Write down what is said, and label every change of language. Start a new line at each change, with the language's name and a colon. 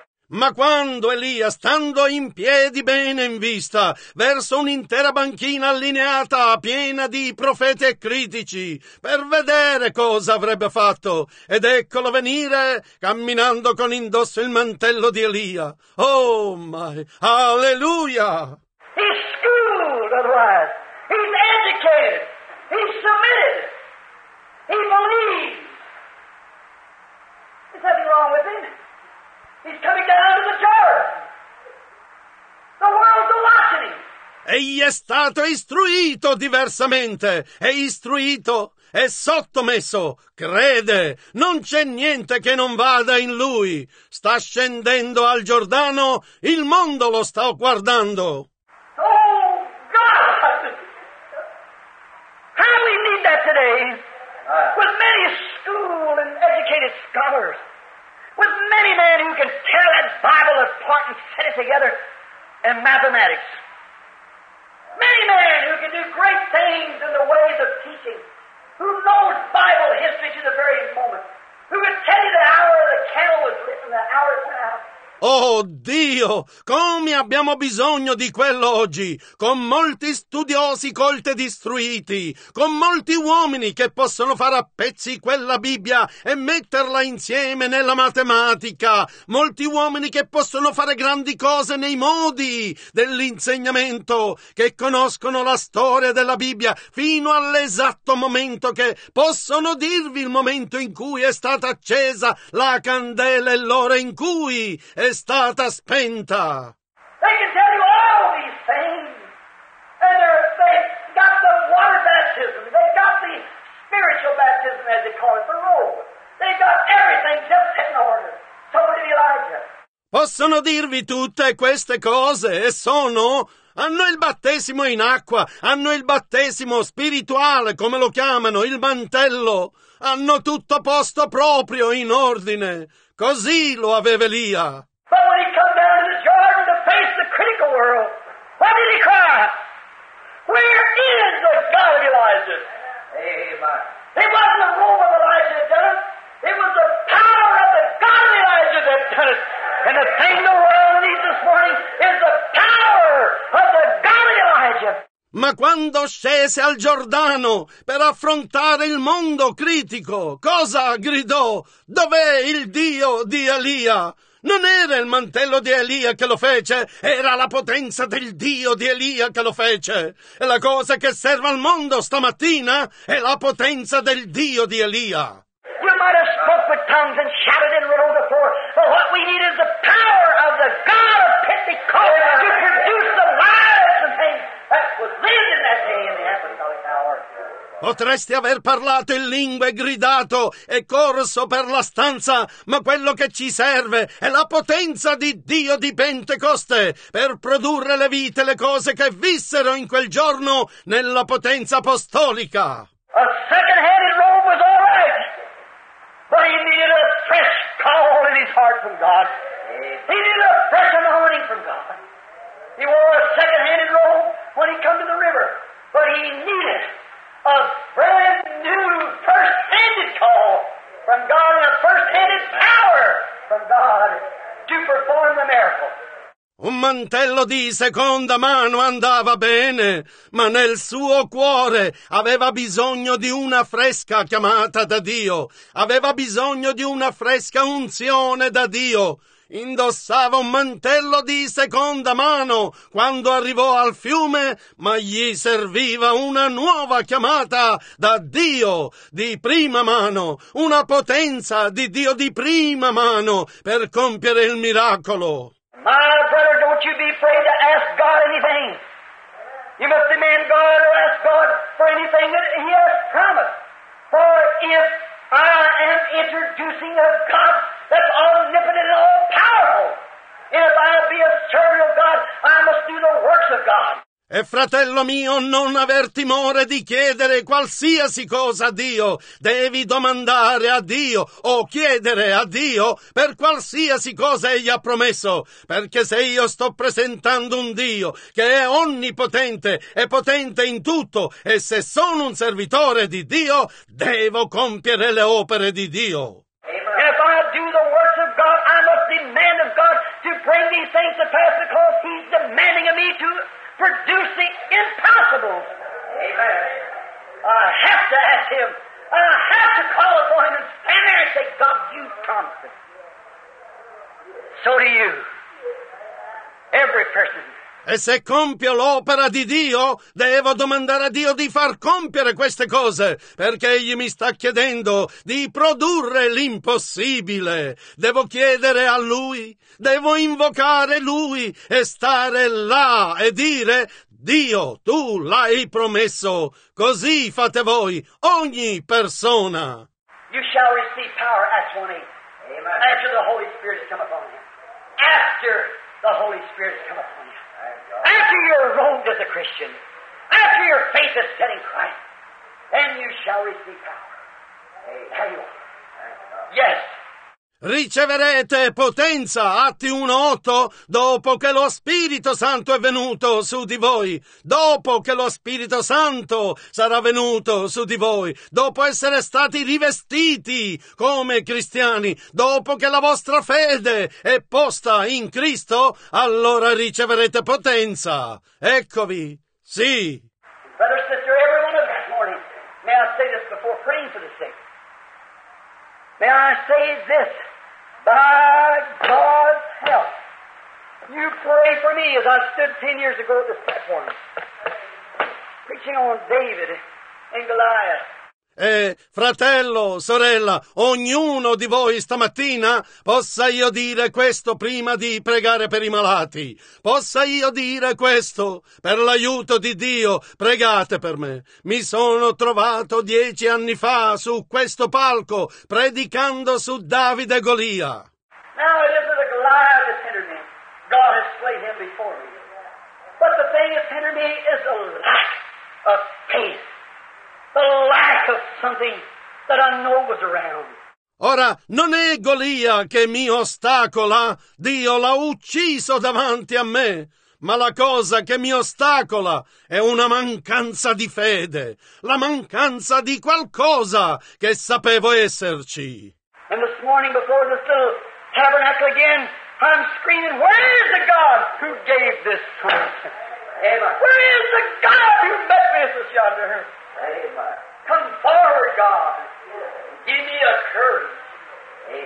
Italian: Ma quando Elia, stando in piedi bene in vista, verso un'intera banchina allineata, piena di profeti e critici, per vedere cosa avrebbe fatto, ed eccolo venire, camminando con indosso il mantello di Elia.
English: Oh my, alleluia! He's schooled, otherwise. He's educated. He's submitted. He believes. There's nothing wrong with him. He's coming down to the church. The world's watching him.
Italian: Egli è stato istruito diversamente. È istruito. È sottomesso. Crede. Non c'è niente che non vada in lui. Sta scendendo al Giordano. Il mondo lo sta guardando.
English: Oh, God! How we need that today? With many school and educated scholars. With many men who can tell that Bible apart and set it together in mathematics. Many men who can do great things in the ways of teaching. Who knows Bible history to the very moment. Who can tell you the hour the candle was lit and the hour it went out.
Italian: Oh Dio, come abbiamo bisogno di quello oggi, con molti studiosi colti e istruiti, con molti uomini che possono fare a pezzi quella Bibbia e metterla insieme nella matematica, molti uomini che possono fare grandi cose nei modi dell'insegnamento, che conoscono la storia della Bibbia fino all'esatto momento che possono dirvi il momento in cui è stata accesa la candela e l'ora in cui è stata spenta.
English: They can tell you all these things. And they've got the water baptism. They've got the spiritual baptism, as they call it, the robe. They've got everything just in order. So did Elijah.
Italian: Possono dirvi tutte queste cose e sono... Hanno il battesimo in acqua, hanno il battesimo spirituale, come lo chiamano, il mantello. Hanno tutto posto proprio in ordine. Così lo aveva Elia.
English: But when he come down to the Jordan to face the critical world, what did he cry? Where is the God of Elijah? Amen. It wasn't the robe of Elijah that done it. It was the power of the God of Elijah that done it. And the thing the world needs this morning is the power of the God of Elijah.
Italian: Ma quando scese al Giordano per affrontare il mondo critico, cosa gridò? Dov'è il Dio di Elia? Non era il mantello di Elia che lo fece, era la potenza del Dio di Elia che lo fece. E la cosa che serve al mondo stamattina è la potenza del Dio di Elia.
English: You might have spoke with tongues and shouted and rolled before, but what we need is the power of the God of Pentecost to produce the lives and things that was lived in that day in the apostolic power.
Italian: Potresti aver parlato in lingua e gridato e corso per la stanza, ma quello che ci serve è la potenza di Dio di Pentecoste per produrre le vite, le cose che vissero in quel giorno nella potenza apostolica.
English: A second-handed robe was all right, but he needed a fresh call in his heart from God. He needed a fresh anointing from God. He wore a second-handed robe when he came to the river, but he needed a brand new first-handed call from God and a first-handed power from God to perform the miracle.
Italian: Un mantello di seconda mano andava bene, ma nel suo cuore aveva bisogno di una fresca chiamata da Dio. Aveva bisogno di una fresca unzione da Dio. Indossava un mantello di seconda mano quando arrivò al fiume, ma gli serviva una nuova chiamata da Dio di prima mano, una potenza di Dio di prima mano per compiere il miracolo.
English: My brother, don't you be afraid to ask God anything. You must demand God or ask God for anything that He has promised. For if I am introducing a God that's omnipotent and all-powerful, and if I be a servant of God, I must do the works of God.
Italian: E fratello mio, non aver timore di chiedere qualsiasi cosa a Dio. Devi domandare a Dio o chiedere a Dio per qualsiasi cosa Egli ha promesso. Perché se io sto presentando un Dio che è onnipotente e potente in tutto, e se sono un servitore di Dio, devo compiere le opere di Dio.
English: Amen. If I do the works of God, I must demand of God to bring these things to pass because He's demanding of me to... produce the impossible. Amen. I have to ask Him. I have to call upon Him and stand there and say, God, you promised it. So do you. Every person.
Italian: E se compio l'opera di Dio, devo domandare a Dio di far compiere queste cose, perché Egli mi sta chiedendo di produrre l'impossibile. Devo chiedere a Lui, devo invocare Lui e stare là e dire: Dio, Tu l'hai promesso, così fate voi, ogni persona.
English: You shall receive power, Acts 1:8. Amen. After the Holy Spirit has come upon you. After the Holy Spirit has come upon you. After you're robed as a Christian. After your faith is set in Christ. Then you shall receive power. There you are. Yes.
Italian: Riceverete potenza, Atti 1:8, dopo che lo Spirito Santo è venuto su di voi, dopo che lo Spirito Santo sarà venuto su di voi, dopo essere stati rivestiti come cristiani, dopo che la vostra fede è posta in Cristo, allora riceverete potenza. Eccovi, sì.
English: Brother, sister, everyone of this morning, may I say this before praying for the sick? May I say this, by God's help, you pray for me as I stood 10 years ago at this platform, preaching on David and Goliath.
Italian: Fratello, sorella, ognuno di voi stamattina possa io dire questo prima di pregare per i malati. Possa io dire questo: per l'aiuto di Dio, pregate per me. Mi sono trovato 10 anni fa su questo palco predicando su Davide e Golia.
English: Now it isn't a Goliath that's hindered me. God has slain him before me. But the thing that's hindered me is a lack of faith. The lack of something that I know was around.
Italian: Ora, non è Golia che mi ostacola. Dio l'ha ucciso davanti a me. Ma la cosa che mi ostacola è una mancanza di fede. La mancanza di qualcosa che sapevo esserci.
English: And this morning before this little tabernacle again, I'm screaming, where is the God who gave this promise? Where is the God who met me this yonder? Amen. Come forward, God. Give me a courage. Amen.